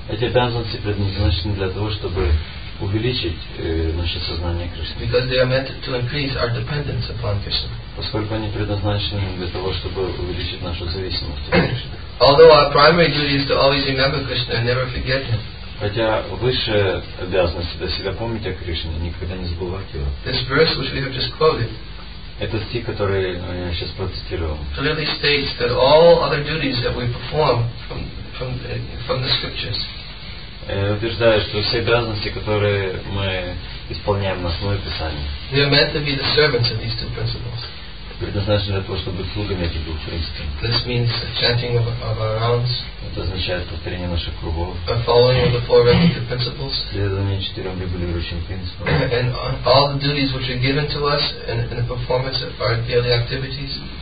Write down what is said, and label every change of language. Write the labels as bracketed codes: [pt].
[ru] Эти обязанности предназначены для того, чтобы увеличить наше сознание Кришны. [en] Because they are meant to increase our dependence upon Krishna. [ru] Поскольку они предназначены для того, чтобы увеличить нашу зависимость от Кришны. [en] Although our primary duty is to always remember Krishna and never forget him. [ru] Хотя высшая обязанность для себя помнить о Кришне, никогда не забывать его. [en] This verse which we have just quoted. [ru] Этот стих, который я сейчас процитировал. [en] Clearly states that all other duties that we perform from the scriptures. [ru] Утверждаю, что все обязанности, которые мы исполняем на основе Писания. [en] They are meant to be the servants of these two principles. [ru] Предназначены для того, чтобы быть слугами этих двух принципов. [en] This means chanting of our rounds. [ru] Это означает повторение наших кругов. [en] Following the four regulative principles. [ru] Следование четырем регулирующим принципам. [en] And all the duties which are given to us in the performance of our daily activities.